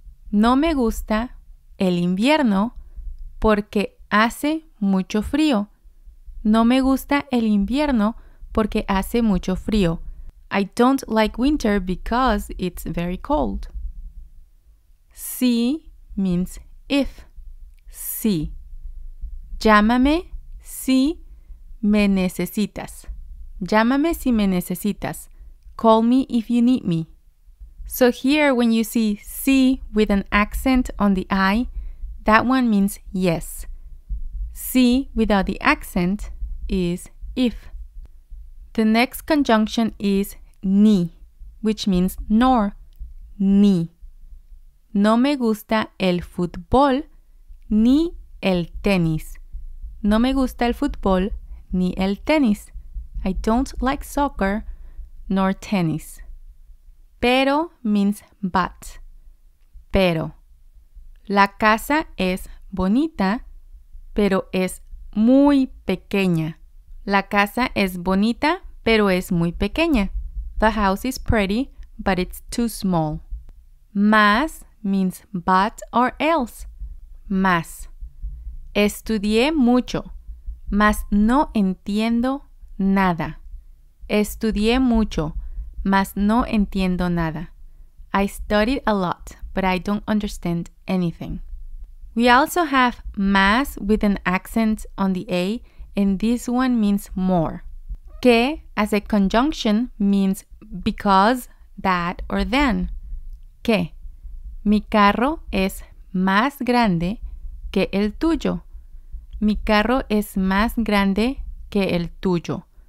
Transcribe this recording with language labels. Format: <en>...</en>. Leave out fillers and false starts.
<es>No me gusta el invierno porque hace mucho frío. No me gusta el invierno porque hace mucho frío.</es> <en>I don't like winter because it's very cold. Sí means if. Sí.</en> <es>Llámame si me necesitas. Llámame si me necesitas.</es> <en>Call me if you need me. So here when you see si with an accent on the I, that one means yes. Si without the accent is if. The next conjunction is ni, which means nor.</en> <es>Ni. No me gusta el fútbol ni el tenis. No me gusta el fútbol ni el tenis.</es> <en>I don't like soccer nor tennis. Pero means but. Pero.</en> <es>La casa es bonita, pero es muy pequeña. La casa es bonita, pero es muy pequeña.</es> <en>The house is pretty, but it's too small. Más means but or else. Más.</en> <es>Estudié mucho, mas no entiendo nada. Estudié mucho, mas no entiendo nada.</es> <en>I studied a lot, but I don't understand anything. We also have más with an accent on the A, and this one means more. Que as a conjunction means because, that, or then.</en> <es>Que. Mi carro es más grande que el tuyo. Mi carro es más grande que el tuyo.</es>